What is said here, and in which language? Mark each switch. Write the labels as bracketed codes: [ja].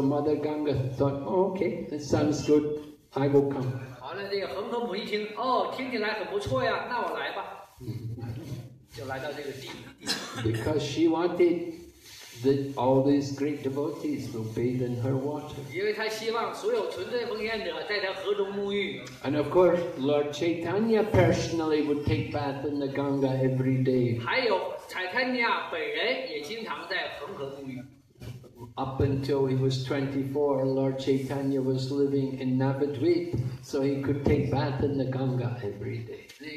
[en] Mother Ganga thought, oh, okay, that sounds good. I will come. [zh] 好了，这个恒河母一听，哦，听起来很不错呀，那我来吧，就来到这个地。Because [en] she wanted that all these great devotees will bathe in her water. [zh] 因为她希望所有纯粹奉献者在她河中沐浴。And [en] of course, Lord Chaitanya personally would take bath in the Ganga every day. [zh] 还有，彩檀尼亚本人也经常在恒河沐浴。Up [en] until he was 24, Lord Chaitanya was living in Navadvip, so he could take bath in the Ganga every day.